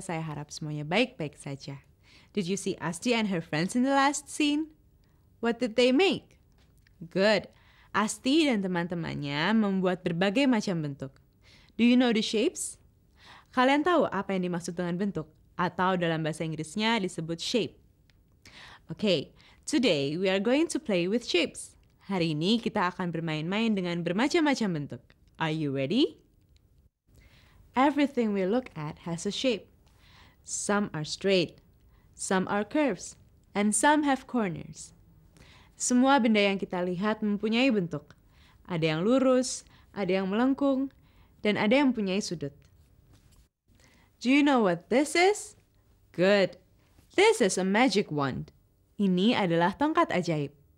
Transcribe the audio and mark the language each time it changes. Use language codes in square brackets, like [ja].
[id] Saya harap semuanya baik-baik saja. [en] Did you see Asti and her friends in the last scene? What did they make? Good. [id] Asti dan teman-temannya membuat berbagai macam bentuk. [en] Do you know the shapes? [id] Kalian tahu apa yang dimaksud dengan bentuk? Atau dalam bahasa Inggrisnya disebut shape? [en] Okay, today we are going to play with shapes. [id] Hari ini kita akan bermain-main dengan bermacam-macam bentuk. [en] Are you ready? Everything we look at has a shape. Some are straight, some are curves, and some have corners. [id] Semua benda yang kita lihat mempunyai bentuk. Ada yang lurus, ada yang melengkung, dan ada yang mempunyai sudut. [en] Do you know what this is? Good. This is a magic wand. [id] Ini adalah tongkat ajaib.